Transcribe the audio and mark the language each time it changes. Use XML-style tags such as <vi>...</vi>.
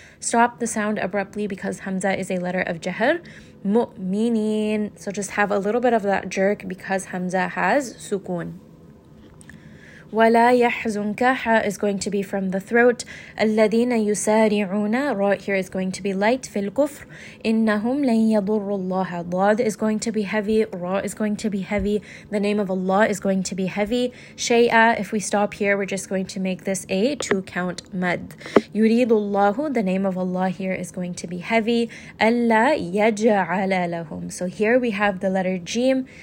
<en>Stop the sound abruptly because Hamza is a letter of Jahar. Mu'minin. So just have a little bit of that jerk because Hamza has sukun.</en> <ar>ولا يحزنك</ar> <en>حا is going to be from the throat.</en> <ar>الذين يسارعون</ar> <en>را here is going to be light.</en> <ar>في الكفر إنهم لن يضروا الله ضاد</ar> <en>is going to be heavy. را is going to be heavy. The name of Allah is going to be heavy. شيئا if we stop here we're just going to make this a two count mad.</en> <ar>يريد الله</ar> <en>the name of Allah here is going to be heavy.</en> <ar>ألا يجعل لهم</ar> <en>so here we have the letter جيم.</en>